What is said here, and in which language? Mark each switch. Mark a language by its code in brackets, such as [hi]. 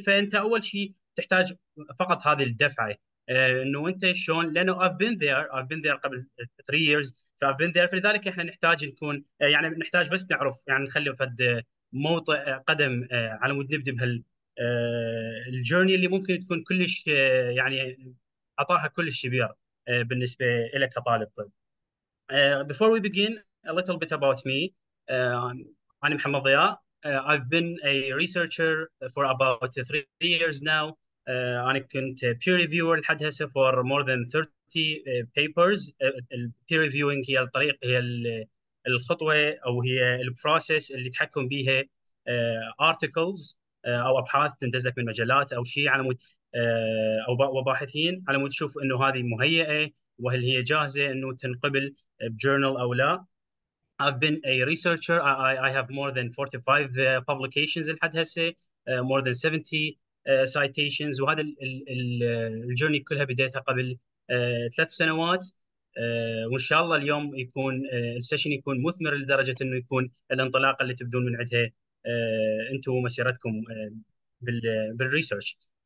[ar] فانت اول شيء تحتاج فقط هذه الدفعه انه انت شلون، لانه [en] I've been there [ar] قبل 3 years، فI've been there. فلذلك احنا نحتاج نكون يعني نحتاج بس نعرف يعني نخلي فد موطئ قدم على مود نبدا بهال الجيرني اللي ممكن تكون كلش يعني عطاها كلش كبير بالنسبه لك كطالب طب. [en] Before we begin a little bit about me. [ar] أنا محمد ضياء. [en] I've been a researcher for about 3 years now. [ar] أنا كنت [en] peer reviewer [ar] لحد هسه [en] for more than 30 papers. [ar] peer reviewing هي الطريق، هي الخطوة أو هي البروسيس اللي تحكم بيها articles أو أبحاث تنتج لك من مجلات أو شيء على مود أو وباحثين على مود تشوف إنه هذه مهيئة وهل هي جاهزة إنه تنقبل بجورنال أو لا. [en] I've been a researcher. I have more than 45 publications [ar] لحد هسه، [en] more than 70 citations. [ar] وهذا الجورني كلها بديتها قبل 3 سنوات. وان شاء الله اليوم يكون السيشن يكون مثمر لدرجه انه يكون الانطلاقه اللي تبدون من عندها انتم ومسيرتكم بالريسيرش.